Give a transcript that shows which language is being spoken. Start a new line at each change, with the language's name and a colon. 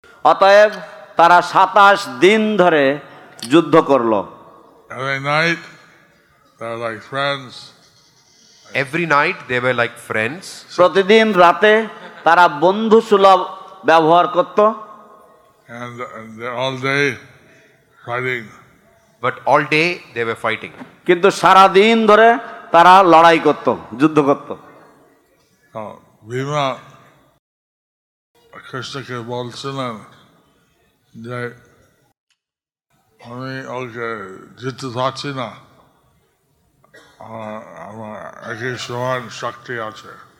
Bangla: Atayev তারা 27 দিন ধরে যুদ্ধ করলো।
English: Every night they were like friends. Every night they were like friends.
Bangla: প্রতিদিন রাতে তারা বন্ধু সুলভ ব্যবহার করত।
English: And they all day fighting. But all day they were fighting.
Bangla: কিন্তু সারা দিন ধরে তারা লড়াই করত, যুদ্ধ করত। Bhima Krishna ke bolchilen যে আমি ওকে জিততে পারছি না, আমার একই সমান শক্তি আছে।